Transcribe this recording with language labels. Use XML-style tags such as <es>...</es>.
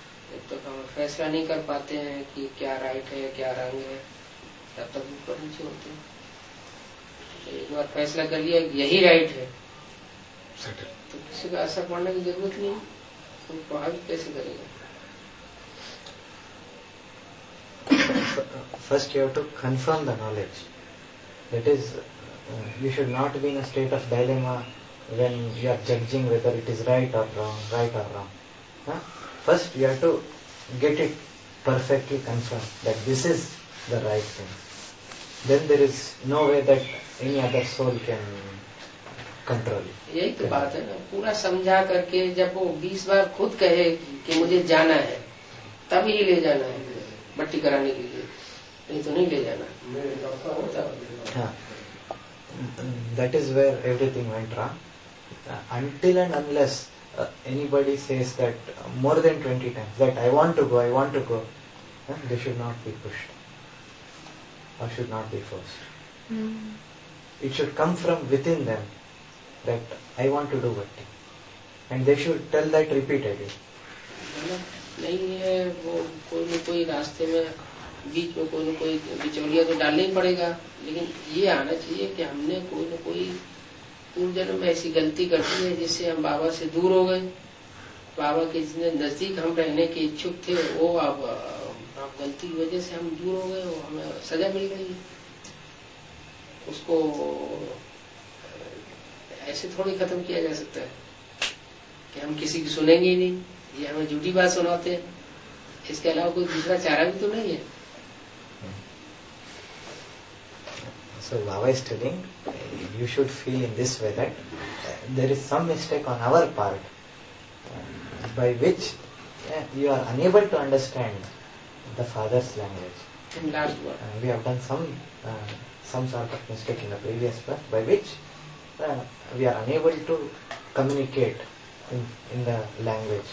<hi>जब तक हम फैसला नहीं कर पाते हैं कि क्या राइट है क्या रंग है, तब तक ऊपर नीचे होते हैं। एक बार फैसला कर लिया यही राइट है तो किसी का असर पड़ने की जरूरत नहीं, तो प्रभावित कैसे करेगा।</hi> <en>First you have to confirm the knowledge. That is, you should not be in a state of dilemma when you are judging whether it is right or wrong, right or wrong. First you have to get it perfectly confirmed that this is the right thing. Then there is no way that any other soul can control it.</en> <hi>यही तो बात है ना, पूरा समझा करके जब वो 20 बार खुद कहे कि मुझे जाना है तब ही ले जाना है पट्टी कराने के लिए, नहीं तो नहीं ले जाना।</hi> <en>That is where everything went wrong. Until and unless anybody says that more than 20 times that I want to go, they should not be pushed or should not be forced. It should come from within them that I want to do bhakti, and they should tell that repeatedly.</en> <hi>नहीं है वो कोई न कोई रास्ते में बीच में कोई न कोई बिचौलिया तो डालना ही पड़ेगा, लेकिन ये आना चाहिए कि हमने कोई न कोई पूर्व जन्म में ऐसी गलती कर दी है जिससे हम बाबा से दूर हो गए, बाबा के जितने नजदीक हम रहने के इच्छुक थे वो अब गलती की वजह से हम दूर हो गए, वो हमें सजा मिल गई। उसको ऐसे थोड़ी खत्म किया जा सकता है कि हम किसी की सुनेंगे ही नहीं, ये हमें झूठी बात सुनाते हैं, इसके अलावा कोई दूसरा चारा भी तो नहीं है।</hi> <en>So Baba is telling, you should feel in this way that there is some mistake on our part by which you are unable to understand the father's language. In last word. We have done some sort of mistake in the previous birth by which we are unable to communicate in the language.</en>